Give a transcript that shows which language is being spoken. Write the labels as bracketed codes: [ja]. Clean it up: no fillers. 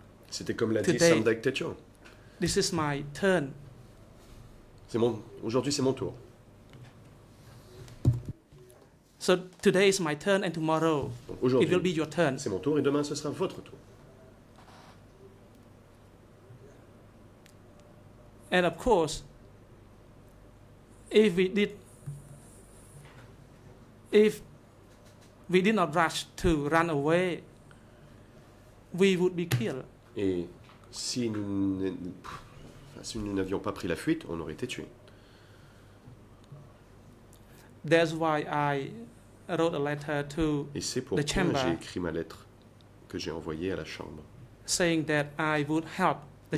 [fr] C'était comme l'a dit Samdak Techo. [en] This is my turn. [fr] Aujourd'hui, c'est mon tour. [en] So today is my turn, and tomorrow [fr] donc [en] it will be your turn. [fr] C'est mon tour, et demain ce sera votre tour. [en] And of course, if we did not rush to run away, we would be killed. [fr] Et si nous n'avions pas pris la fuite, on aurait été tués. [en] That's why I wrote a letter to [fr] et c'est pourquoi [en] the chamber, [fr] j'ai écrit ma lettre que j'ai envoyée à la Chambre. [en] Saying that I would help the